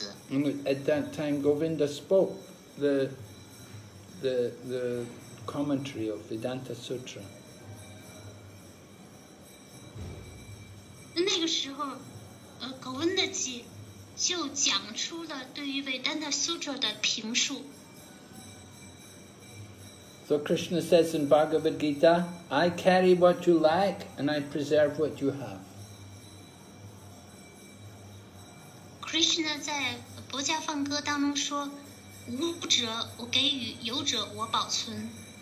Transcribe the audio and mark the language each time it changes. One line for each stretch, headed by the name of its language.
English: And at that time, Govinda spoke the commentary of Vedanta Sutra.
Chinese: 那个时候，格温德基就讲出了对于维丹塔苏特的评述。
English: So Krishna says in Bhagavad Gita, "I carry what you like, and I preserve what you have."
Chinese: Krishna 在《薄伽梵歌》当中说：“无者我给予，有者我保存。”